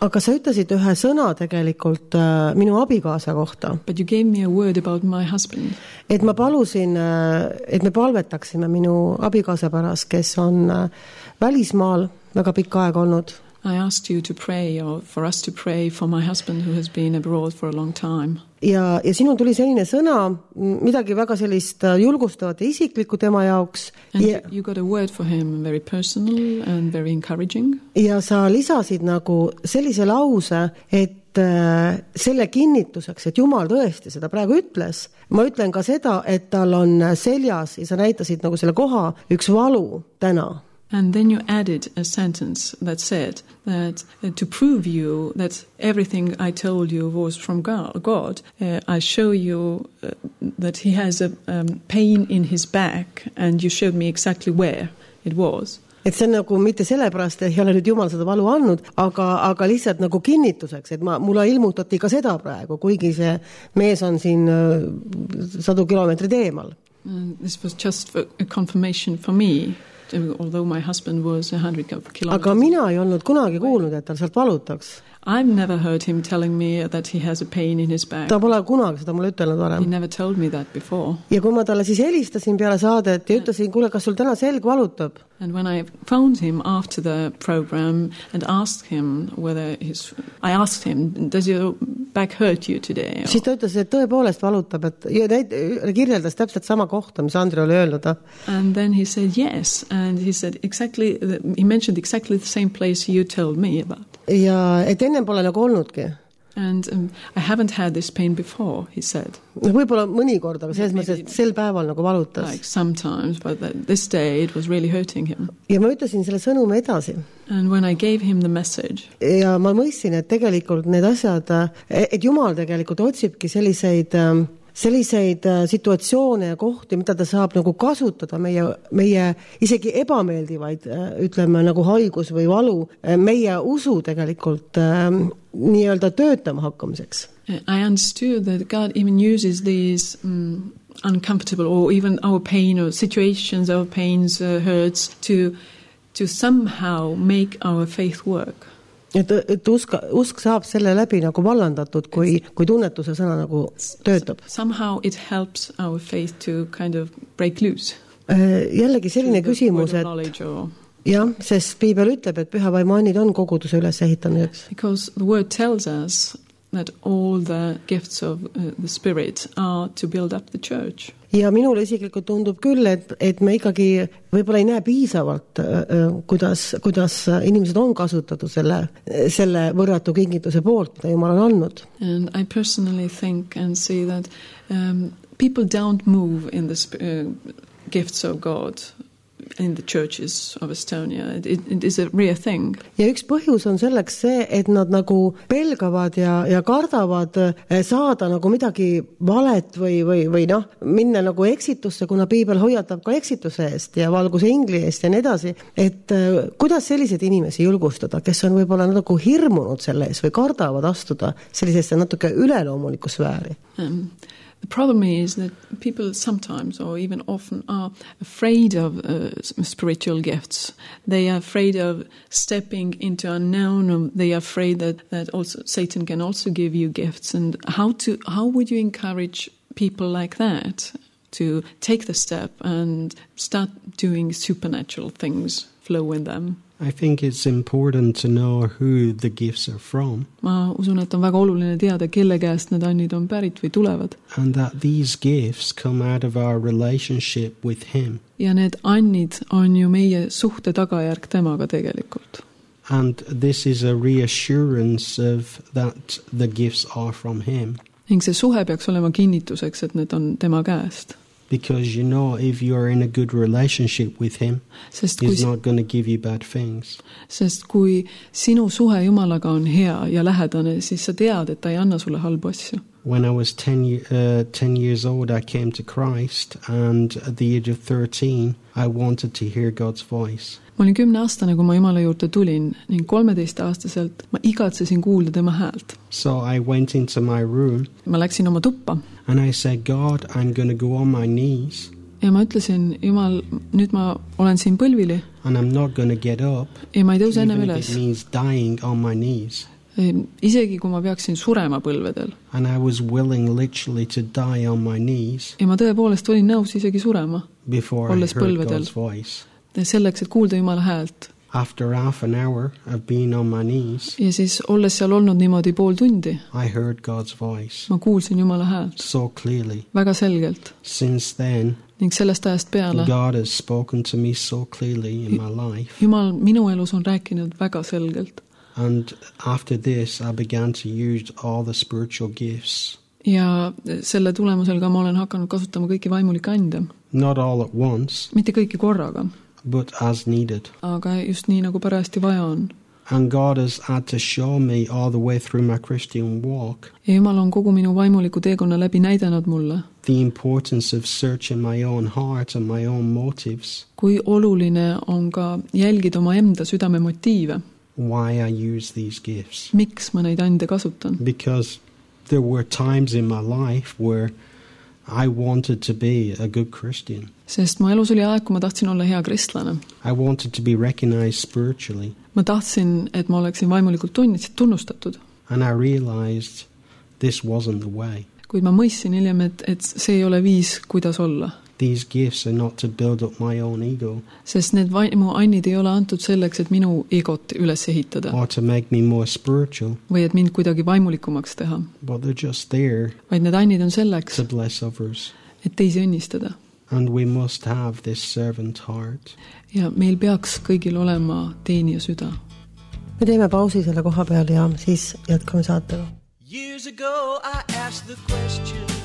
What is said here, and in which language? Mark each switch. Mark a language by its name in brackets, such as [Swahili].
[Estonian] Aga sa ütlesid ühe sõna tegelikult minu abikaasa kohta. [English] But you gave me a word about my husband. [Estonian] Et ma palusin, et me palvetaksime minu abikaasa pärast, kes on välismaal väga pikka aega olnud. [English] I asked you to pray or for us to pray for my husband who has been abroad for a long time. [Estonian] Ja sinu tuli selline sõna, midagi väga sellist julgustavate isiklikku tema jaoks. [English] And you got a word for him, very personal and very encouraging. [Estonian] Ja sa lisasid nagu sellise lause, et selle kinnituseks, et Jumal tõesti seda praegu ütles, ma ütlen ka seda, et tal on seljas ja sa näitasid nagu selle koha üks valu täna. [English] And then you added a sentence that said that to prove you that everything I told you was from God, I show you that he has a pain in his back and you showed me exactly where it was. [Estonian] Et see on nagu mitte sellepärast, et ei ole nüüd Jumal seda valu annud, aga lihtsalt nagu kinnituseks, et mulle ilmutati ka seda praegu, kuigi see mees on siin 100 kilometrit eemal. [English] This was just a confirmation for me. Although my husband was 100 kilometers. [Estonian] Aga mina ei olnud kunagi kuulnud, et tal sealt valutaks. [English] I've never heard him telling me that he has a pain in his back. [Estonian] Ta pole kunagi seda mulle ütelnud varem. [English] He never told me that before. [Estonian] Ja kui ma talle siis helistasin peale saadet ja ütlesin, kuule, kas sul täna selg valutab? [English] And when I phoned him after the program and asked him whether his... I asked him, does your back hurt you today? [Estonian] Siis ta ütles, et tõepoolest valutab. Ja kirjeldas täpselt sama kohta, mis Andri oli öelnud. [English] And then he said yes. And he said exactly... He mentioned exactly the same place you told me about. [Estonian] Ja et ennem pole nagu olnudki. [English] And I haven't had this pain before, he said. [Estonian] Võibolla mõnikord, aga selles mõttes, sel päeval nagu valutas. [English] Like sometimes, but this day it was really hurting him. [Estonian] Ja ma ütlesin selle sõnume edasi. [English] And when I gave him the message. [Estonian] Ja ma mõtlesin, et tegelikult need asjad, et Jumal tegelikult otsibki selliseid situatsioone ja kohti, mida ta saab nagu kasutada meie isegi ebameeldivaid, ütleme, nagu haigus või valu, meie usu tegelikult nii-öelda töötama hakkamiseks. [English] I understood that God even uses these uncomfortable or even our pain or situations, our pains, hurts to somehow make our faith work. [Estonian] Et usk saab selle läbi nagu vallandatud, kui tunnetuse sõna nagu töötab. [English] Somehow it helps our faith to kind of break loose. [Estonian] Jällegi selline küsimus, et... Ja, sest Piibel ütleb, et püha vaimu annid on koguduse üles ehitanud. [English] Because the word tells us that all the gifts of the Spirit are to build up the church. [Estonian] Ja minul isiklikult tundub küll, et me ikkagi võib-olla ei näe piisavalt, kuidas inimesed on kasutatud selle võrratu kingituse poolt, mida Jumal on annud. [English] And I personally think and see that people don't move in the gifts of God in the churches of Estonia. It is a real thing. [Estonian] Ja üks põhjus on selleks see, et nad nagu pelgavad ja kardavad saada nagu midagi valet või noh, minna nagu eksitusse, kuna piibel hoiatab ka eksituse eest ja valguse ingli eest ja edasi. Et kuidas sellised inimesi julgustada, kes on võib-olla natuke hirmunud selles või kardavad astuda sellisesse natuke üleloomuliku sfääri? [English] The problem is that people sometimes or even often are afraid of spiritual gifts. They are afraid of stepping into unknown. They are afraid that also Satan can also give you gifts. And how would you encourage people like that to take the step and start doing supernatural things, flow in them? I think it's important to know who the gifts are from. [Estonian] Ma usun, et on väga oluline teada, kelle käest need annid on pärit või tulevad. [English] And that these gifts come out of our relationship with him. [Estonian] Ja need annid on ju meie suhte tagajärg temaga tegelikult. [English] And this is a reassurance of that the gifts are from him. [Estonian] Ning see suhe peaks olema kinnituseks, et need on tema käest. [English] Because you know if you are in a good relationship with him, [Estonian] sest [English] he's not going to give you bad things. [Estonian] Sest kui sinu suhe Jumalaga on hea ja lähedane, siis sa tead, et ta ei anna sulle halbu asju. [English] When I was 10 years old, I came to Christ, and at the age of 13, I wanted to hear God's voice. [Estonian] Ma olin 10 aastane, kui ma Jumala juurde tulin, ning 13 aastaselt ma igatsesin kuulda tema häält. [English] So I went into my room. [Estonian] Ma läksin oma tuppa. [English] And I said, God, I'm going to go on my knees. [Estonian] Ja ma ütlesin, Jumal, nüüd ma olen siin põlvili. [English] And I'm not going to get up. [Estonian] Ja ma ei tõuse enne üles. [English] Even if it means dying on my knees. [Estonian] Isegi kui ma peaksin surema põlvedel. [English] And I was willing literally to die on my knees. [Estonian] Ja ma tõepoolest olin nõus isegi surema. [English] Before I heard [Estonian] põlvedel. [English] God's voice. [Estonian] Selleks, et kuulda Jumala häält. [English] After half an hour of being on my knees. [Estonian] Ja siis olles seal olnud niimoodi pool tundi. [English] I heard God's voice. [Estonian] Ma kuulsin Jumala häält. [English] So clearly. [Estonian] Väga selgelt. [English] Since then. [Estonian] Ning sellest ajast peale. [English] God has spoken to me so clearly in my life. [Estonian] Jumal minu elus on rääkinud väga selgelt. [English] And after this I began to use all the spiritual gifts. [Estonian] Ja selle tulemusel ka ma olen hakanud kasutama kõiki vaimulike ande. [English] Not all at once. [Estonian] Mitte kõiki korraga. [English] But as needed. [Estonian] Aga just nii nagu parajasti vaja on. [English] And God has had to show me all the way through my Christian walk. [Estonian] Ja Jumal on kogu minu vaimuliku teekonna läbi näidanud mulle. [English] The importance of searching my own heart and my own motives. [Estonian] Kui oluline on ka jälgida oma enda südame motiive. [English] Why I use these gifts. [Estonian] Miks ma neid ande kasutan? [English] Because there were times in my life where I wanted to be a good Christian. [Estonian] Sest ma elus oli aeg, kui ma tahtsin olla hea kristlane. [English] I wanted to be recognized spiritually. [Estonian] Ma tahtsin, et ma oleksin vaimulikult tunnustatud. [English] And I realized this wasn't the way. [Estonian] Kuid ma mõissin hiljem, et see ei ole viis, kuidas olla. [English] These gifts are not to build up my own ego. [Estonian] Sest need vaimu annid ei ole antud selleks, et minu egot üles ehitada. [English] Or to make me more spiritual. [Estonian] Või et mind kuidagi vaimulikumaks teha. [English] But they're just there. [Estonian] Vaid need annid on selleks. [English] To bless others. [Estonian] Et teisi õnnistada. [English] And we must have this servant heart. [Estonian] Ja meil peaks kõigil olema teenija süda. Me teeme pausi selle koha peal ja siis jätkame saatega. [English] Years ago I asked the question.